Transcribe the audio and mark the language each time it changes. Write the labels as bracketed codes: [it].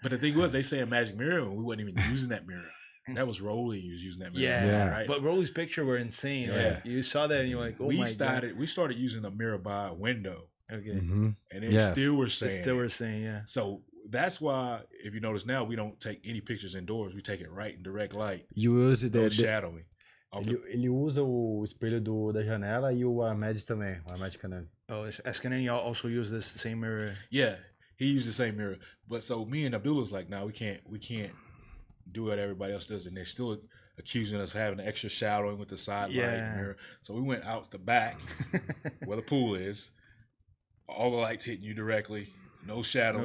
[en] But the thing was, they say a Magic Mirror, and we weren't even using that mirror. That was Rolly who was using that mirror. Yeah. Right? But Rolly's picture were insane. Yeah. Like, you saw that, and you're like, oh, We started using a mirror by a window. Okay. Mm-hmm. And it yes. still were saying. It still were saying, yeah. So that's why, if you notice now, we don't take any pictures indoors. We take it right in direct light. You use it. Don't shadow me. [pt] Ele usa o espelho da janela e o Ahmed também. O Ahmed Canani. [en] Oh, Canani also use this same mirror. Yeah, he used the same mirror. But so me and Abdullah's like, nah, we can't do what everybody else does. And they're still accusing us of having extra shadowing with the side yeah. light mirror. So we went out the back where the pool is. All the lights hitting you directly, no shadow.